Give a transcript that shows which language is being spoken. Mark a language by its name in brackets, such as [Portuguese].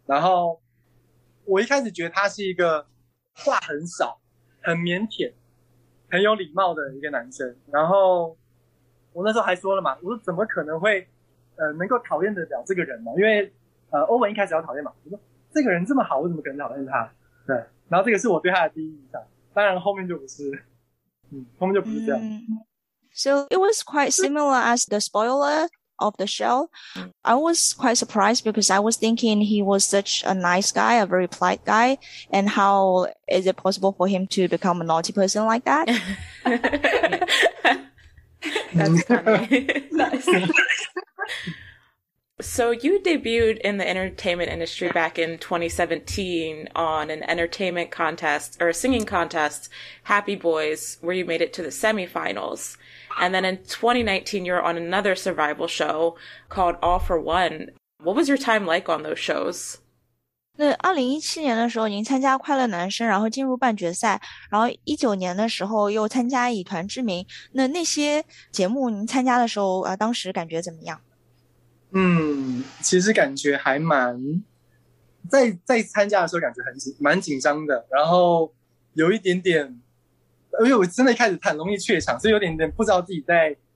[Chinese] 然后我一开始觉得他是一个话很少、很腼腆、很有礼貌的一个男生。然后我那时候还说了嘛，我说怎么可能会能够讨厌得了这个人嘛？因为欧文一开始要讨厌嘛，我说这个人这么好，我怎么可能讨厌他？对，然后这个是我对他的第一印象。当然后面就不是。 [English] So it was quite similar as the spoiler of the show. I was quite surprised because I was thinking he was such a nice guy, a very polite guy. And how is it possible for him to become a naughty person like that? That's funny. So you debuted in the entertainment industry back in 2017 on an entertainment contest or a singing contest, Happy Boys, where you made it to the semifinals. And then in 2019, you're on another survival show called All for One. What was your time like on those shows? [Chinese] 那2017年的时候您参加快乐男声然后进入半决赛然后19年的时候又参加以团之名那那些节目您参加的时候当时感觉怎么样其实感觉还蛮在参加的时候感觉很蛮紧张的然后有一点点因为我真的一开始很容易怯场所以有点点不知道自己在